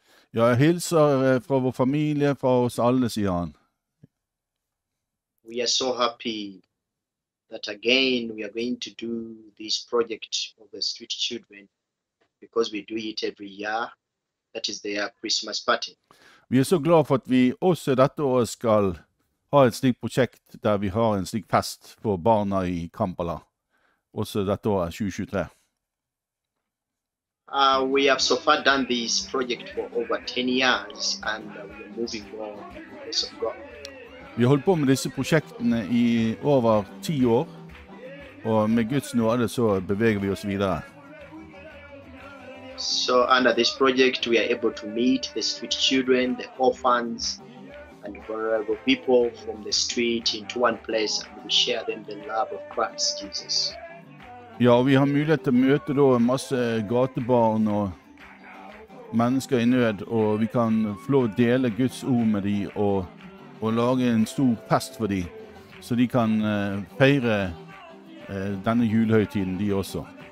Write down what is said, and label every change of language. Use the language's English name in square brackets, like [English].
[Norwegian] Ja, jeg hilser fra vår familie, fra oss alle, sier han. [English] We are so happy that again we are going to do this project of the street children, because we do it every year, that is their Christmas party. [Norwegian] Vi så glad for at vi også dette år skal ha et slik prosjekt der vi har en slik fest for barna I Kampala, også dette år 2023. [English] We have so far done this project for over 10 years, and we are moving on because of God. [Norwegian] Vi har holdt på med disse prosjektene I over 10 år, og med Guds nåde så beveger vi oss videre. [English] So under this project we are able to meet the street children, the orphans, and vulnerable people from the street into one place and we share them the love of Christ Jesus. [Norwegian] Ja, vi har mulighet til å møte da masse gatebarn og mennesker I nød, og vi kan få lov å dele Guds ord med dem og og lage en stor fest for dem, så de kan feire denne julehøytiden de også.